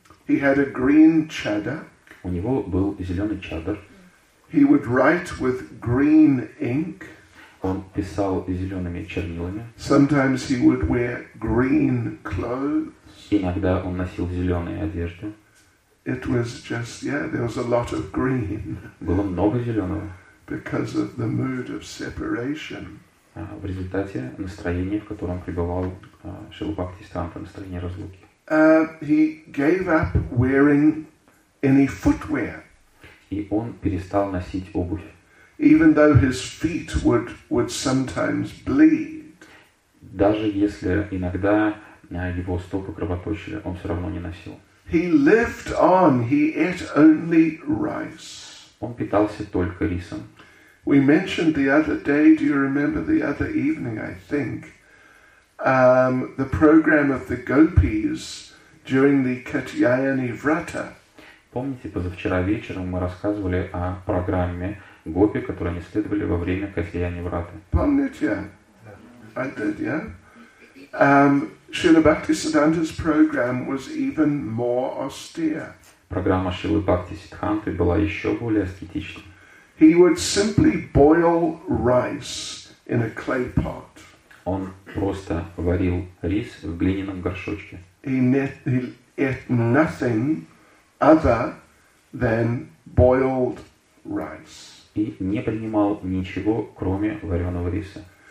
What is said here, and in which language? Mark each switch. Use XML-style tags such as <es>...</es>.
<en>He had a green chadar.</en> <ru>У него был зеленый чадр.</ru> <en>He would write with green ink.</en> <ru>Он писал зелеными чернилами.</ru> <en>Sometimes he would wear green clothes.</en> <ru>Иногда он носил зеленые одежды.</ru> <en>It was just, yeah, there was a lot of green.</en> <ru>Было много зеленого.</ru> <en>Because of the mood of separation.</en> <ru>В результате настроения, в котором пребывал Шрила Бхакти Сиддханта, настроение разлуки.</ru> <en>He gave up wearing any footwear.</en> <ru>И он перестал носить обувь.</ru> <en>Even though his feet would sometimes bleed.</en> <ru>Даже если иногда его стопы кровоточили, он все равно не носил.</ru> <en>He lived on. He ate only rice.</en> <ru>Он питался только рисом.</ru> <en>We mentioned the other day, do you remember the other evening, I think, the program of the gopis during the Katyayani Vrata.</en> <ru>Помните, позавчера вечером мы рассказывали о программе гопи, которую они следовали во время Катьяяни Враты. Помните?</ru> <en>I did, yeah? Srila Bhakti Siddhanta's program was even more austere.</en> <ru>Программа Шрилы Бхакти Сиддханты была еще более аскетичной.</ru> <en>He would simply boil rice in a clay pot.</en> <ru>Он просто варил рис в глиняном горшочке.</ru> <en>He ate nothing other than boiled rice.</en> <ru>И не принимал ничего, кроме вареного риса.</ru>